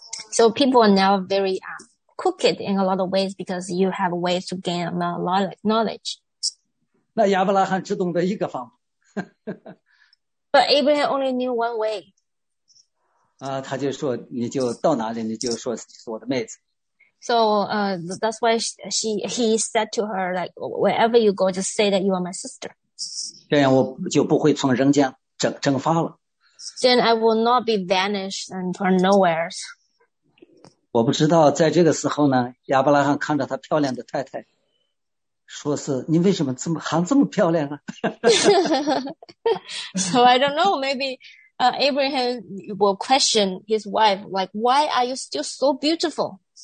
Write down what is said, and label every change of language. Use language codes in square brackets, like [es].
[en] So people are now very crooked in a lot of ways because you have ways to gain a lot of knowledge. [zh] 那亚伯拉罕只懂得一个方法。 [en] But Abraham only knew one way. [zh] 他就说你就到哪里你就说是我的妹子。 [en] So, that's why he said to her, like, wherever you go, just say that you are my sister. [zh] 这样我就不会从人间蒸发了。 [en] Then I will not be vanished and from nowhere. [zh] 我不知道在这个时候呢亚伯拉罕看着他漂亮的太太说是你为什么这么还这么漂亮啊 [en] So I don't know, maybe,Abraham will question his wife, like, why are you still so beautiful?